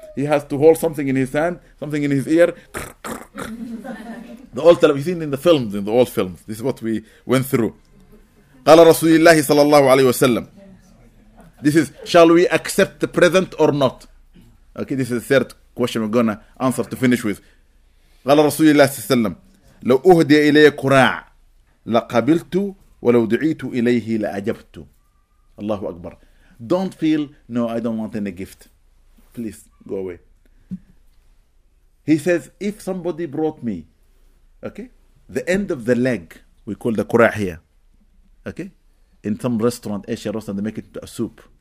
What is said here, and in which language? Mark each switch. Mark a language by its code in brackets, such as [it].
[en] He has to hold something in his hand, something in his ear. The old telephone, you've seen in the films, in the old films. This is what we went through. [ar] قَالَ رَسُولِ اللَّهِ صَلَى اللَّهُ عَلَيْهِ وَسَلَّمْ. [en] This is, shall we accept the present or not? Okay, this is the third question we're going to answer to finish with. [ar] قال رسول الله صلى الله عليه وسلم لو أهدي إلي كراع لقبلت ولو دعيت إليه لأجبت. الله أكبر. [en] Don't feel, no, I don't want any gift. Please, go away. He says, if somebody brought me, okay, the end of the leg, we call the كراع here, okay, in some restaurant, Asian restaurant, they make it a soup.